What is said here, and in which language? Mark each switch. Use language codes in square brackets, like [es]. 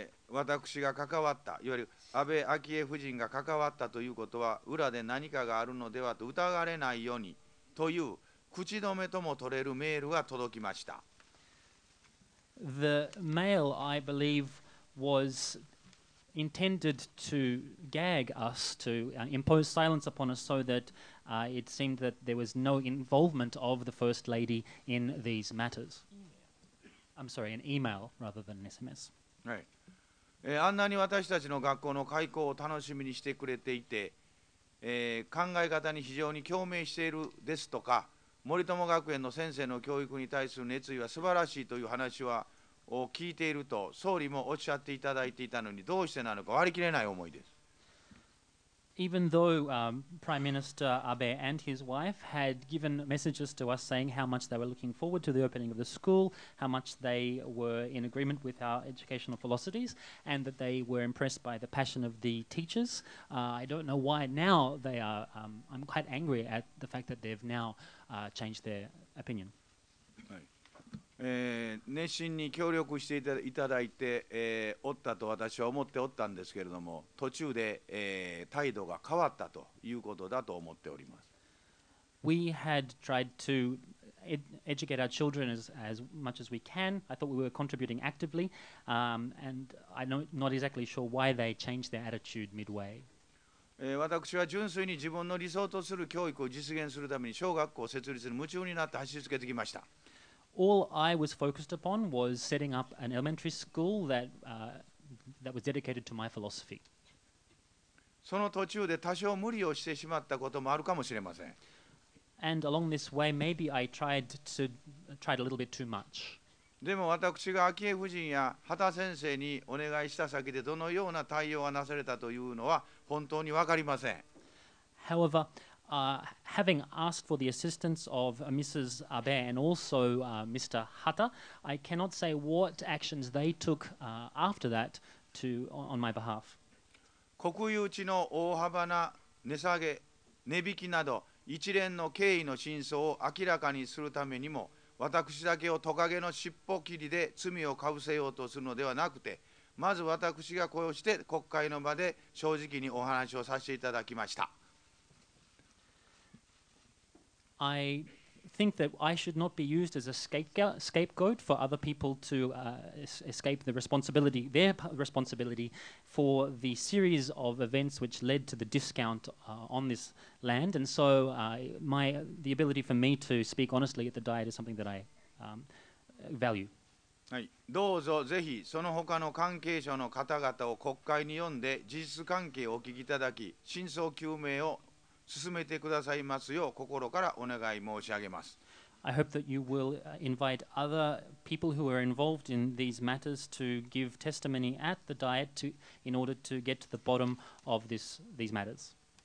[ja] 私が関わった、いわゆる安倍昭恵夫人が関わったということは、裏で何かがあるのではと疑われないようにという口止めとも取れるメールが届きました。 [en] The mail, I believe, was intended to gag us, to impose silence upon us, so that it seemed that there was no involvement of the First Lady in these matters. I'm sorry, an email rather than an SMS. [ja] はい、あんなに私たちの学校の開校を楽しみにしてくれていて、考え方に非常に共鳴しているですとか、森友学園の先生の教育に対する熱意は素晴らしいという話はを聞いていると総理もおっしゃっていただいていたのに、どうしてなのか割り切れない思いです。 [en] Even though Prime Minister Abe and his wife had given messages to us saying how much they were looking forward to the opening of the school, how much they were in agreement with our educational philosophies, and that they were impressed by the passion of the teachers, I don't know why now they are, I'm quite angry at the fact that they've now changed their opinion. [ja] 熱心に協力していただいて、おったと私は思っておったんですけれども、途中で、態度が変わったということだと思っております。 [en] We had tried to educate our children as much as we can. I thought we were contributing actively, and I'm not exactly sure why they changed their attitude midway. [ja] 私は純粋に自分の理想とする教育を実現するために小学校を設立に夢中になって走りつけてきました。 [en] All I was focused upon was setting up an elementary school that, that was dedicated to my philosophy. [ja] その途中で多少無理をしてしまったこともあるかもしれません。 [en] And along this way, maybe I tried a little bit too much. [ja] でも私が昭恵夫人や畑先生にお願いした先でどのような対応がなされたというのは本当に分かりません。 [en] However,having asked for the assistance of Mrs. Abe and also Mr. Hata, I cannot say what actions they took after that to on my behalf. [ja] 国有地の大幅な値下げ、値引きなど一連の経緯の真相を明らかにするためにも、私だけをトカゲの尻尾切りで罪をかぶせようとするのではなくて、まず私がこうして国会の場で正直にお話をさせていただきました。 [en] I think that I should not be used as a scapegoat for other people to escape the responsibility, their responsibility for the series of events which led to the discount on this land. And so the ability for me to speak honestly at the Diet is something that I value. [ja] はい、どうぞぜひその他の関係者の方々を国会に呼んで事実関係をお聞きいただき、真相究明を進めてくださいますよう心からお願い申し上げます。 [en] I hope that you will invite other people who are involved in these matters to give testimony at the diet to, in order to get to the bottom of this, these matters.